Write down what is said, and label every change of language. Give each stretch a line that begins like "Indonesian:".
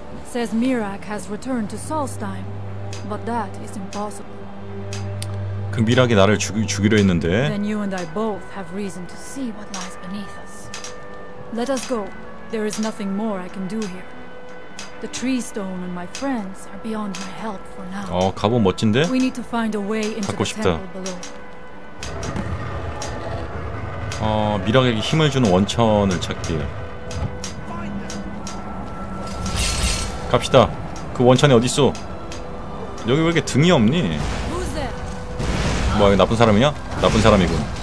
English: Says Mirak has returned to Solstheim, but that is impossible.
Korean: 그 미락이 나를 죽이려 했는데.
English: Then you and I both have reason to see what lies beneath us. Let us go. There is nothing more I can do here. The tree stone and my friends are beyond my help for now.
Korean: 어, 갑옷 멋진데?
English: We need to find a way into the temple below.
Korean: 어, 미라에게 힘을 주는 원천을 찾기. 갑시다. 그 원천이 어디 있어? 여기 왜 이렇게 등이 없니? 뭐야, 이거 나쁜 사람이야? 나쁜 사람이군.